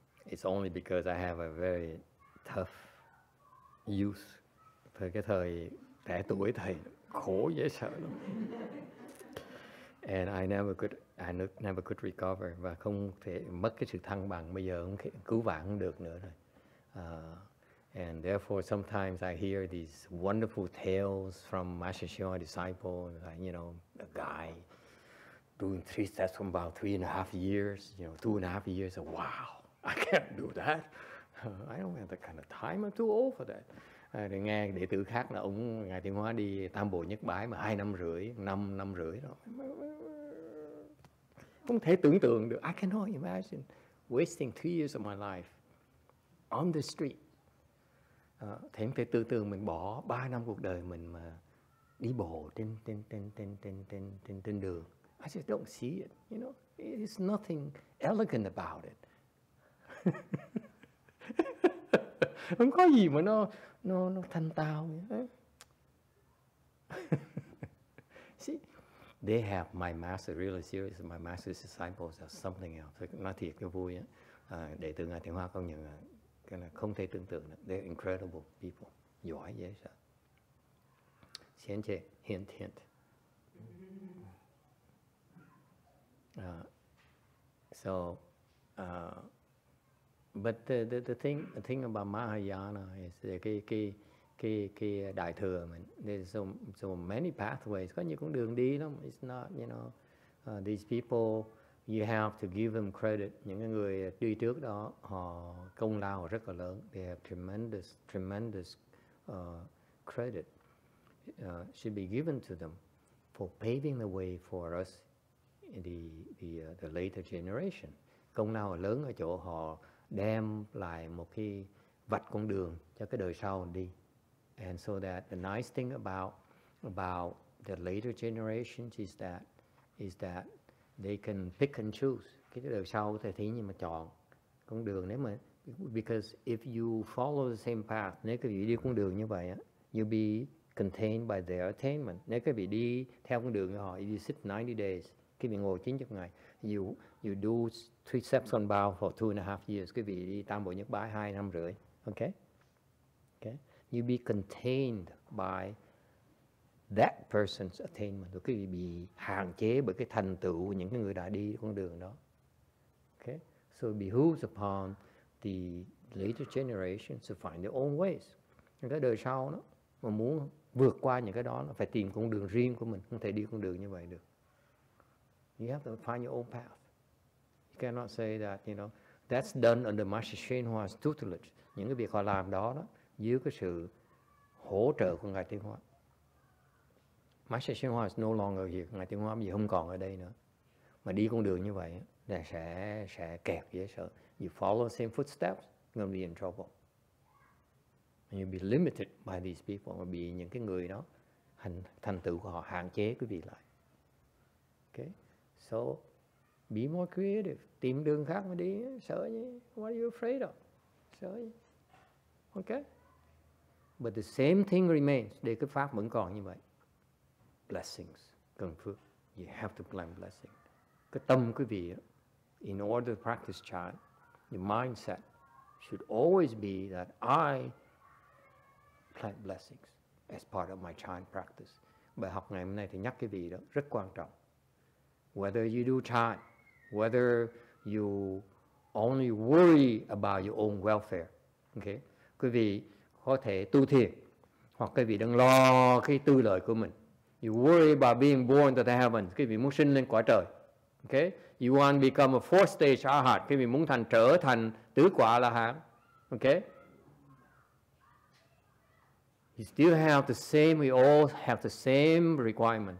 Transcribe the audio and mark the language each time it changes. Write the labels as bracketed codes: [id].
[en] It's only because I have a very tough youth. [vi] Thời cái thời trẻ tuổi thầy khổ dễ sợ lắm. [en] And I never could recover, [vi] và không thể mất cái sự thăng bằng, bây giờ không cứu vãn được nữa rồi. [en] And therefore, sometimes I hear these wonderful tales from Master Shion disciple, like, you know, a guy doing three steps for about 3.5 years, you know, 2.5 years, and wow, I can't do that. I don't have that kind of time, I'm too old for that. [vi] Rồi nghe đệ tử khác là ông Ngài Thiện Hóa đi Tam Bộ Nhất Bái mà 2 năm rưỡi đó. Không thể tưởng tượng được. [en] I cannot imagine wasting 3 years of my life on the street. [vi] Thế không thể tưởng tượng mình bỏ 3 năm cuộc đời mình mà đi bộ trên đường. [en] I just don't see it, you know. It's nothing elegant about it. [vi] Không có gì mà nó thanh tao. [en] See, they have my master, really serious, my master's disciples are something else. [vi] Nói thiệt cho vui á. Đệ tử Ngài Thiện Hóa công nhận cái là không thể tưởng tượng được. [en] They're incredible people. [vi] Giỏi dễ sợ. Xin chê, [en] hint, hint. But the thing about Mahayana is [vi] cái đại thừa mình. [en] There's so many pathways. [vi] Có nhiều con đường đi lắm. [en] It's not, you know, these people, you have to give them credit. [vi] Những người đi trước đó, họ công lao rất là lớn. [en] They have tremendous credit should be given to them for paving the way for us in the later generation. [vi] Công lao lớn ở chỗ họ đem lại một cái vạch con đường cho cái đời sau đi. [en] And so that the nice thing about the later generations is that they can pick and choose. [vi] Cái đời sau có thể thấy nhưng mà chọn con đường nếu mà, [en] because if you follow the same path, [vi] nếu các vị đi con đường như vậy, [en] you'll be contained by their attainment. [vi] Nếu các vị đi theo con đường họ, [en] if you sit 90 days, [vi] các vị ngồi 90 ngày, [en] you do three steps on bow for 2.5 years, [vi] các vị đi Tam Bộ Nhất Bái 2.5 năm. Okay? [en] You be contained by that person's attainment. [vi] Quý vị bị hạn chế bởi cái thành tựu của những người đã đi con đường đó. [en] Okay? So it behooves upon the later generations to find their own ways. [vi] Những cái đời sau đó, mà muốn vượt qua những cái đó, nó phải tìm con đường riêng của mình. Không thể đi con đường như vậy được. [en] You have to find your own path. You cannot say that, you know, that's done under Master Shenhua's tutelage. [vi] Những cái việc họ làm đó đó, dưới cái sự hỗ trợ của Ngài Thiện Hóa. [en] Master Shenhua is no longer here. [vi] Ngài Thiện Hóa bây giờ không còn ở đây nữa. Mà đi con đường như vậy là sẽ kẹt dễ sợ. [en] You follow the same footsteps, you're going to be in trouble. And you'll be limited by these people. [vi] Và bị những cái người đó, thành tựu của họ hạn chế quý vị lại. [en] Okay? So, be more creative. [vi] Tìm đường khác mà đi. Sợ gì? [en] What are you afraid of? [vi] Sợ gì? [en] Okay? But the same thing remains. [vi] Để cái pháp vẫn còn như vậy. [en] Blessings. [vi] Cần phước. [en] You have to claim blessing. [vi] Cái tâm quý vị, [en] in order to practice chan, your mindset should always be that I plant blessings as part of my chan practice. [vi] Bài học ngày hôm nay thì nhắc quý vị đó, rất quan trọng. [en] Whether you do chan, whether you only worry about your own welfare, okay? [vi] Quý vị có thể tu thiền, Hoặc quý vị đang lo cái tư lợi của mình. [en] You worry about being born to the heavens. [vi] Quý vị muốn sinh lên quả trời. [en] Okay? You want to become a fourth stage arhat. [vi] Quý vị muốn thành trở thành tứ quả là hạng. [en] Okay? You still have the same, we all have the same requirement.